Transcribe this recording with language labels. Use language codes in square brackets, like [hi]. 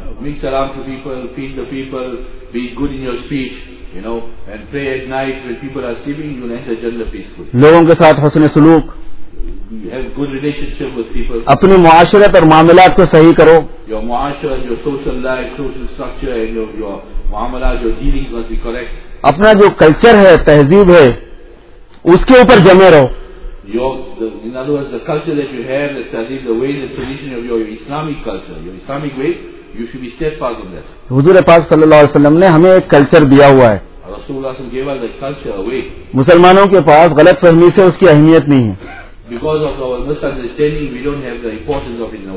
[en] Make salam to people, feed the people, be good in your speech, you know, and pray at night when people are sleeping, you'll enter Jannah peacefully. [ur] لوگوں کے ساتھ حسن سلوک. [en] Have good relationship with people. [ur] اپنی معاشرت اور معاملات کو صحیح کرو. [en] Your muashra, your social life, social structure and your muamlat, your dealings must be correct. [ur] اپنا جو کلچر ہے, تہذیب ہے, اس کے اوپر جمع رہو. [en] In other words, the culture that you have, the tahzeeb, the ways, the tradition of your Islamic culture, your Islamic way, you should be steadfast in that. [ur] حضور پاک صلی اللہ علیہ وسلم نے ہمیں ایک کلچر دیا ہوا ہے. [en] رسول اللہ صلی اللہ علیہ وسلم gave us the culture away. [ur] مسلمانوں کے پاس غلط فہمی سے اس کی اہمیت نہیں ہے. [en] Because of our misunderstanding, we don't have the importance of it in our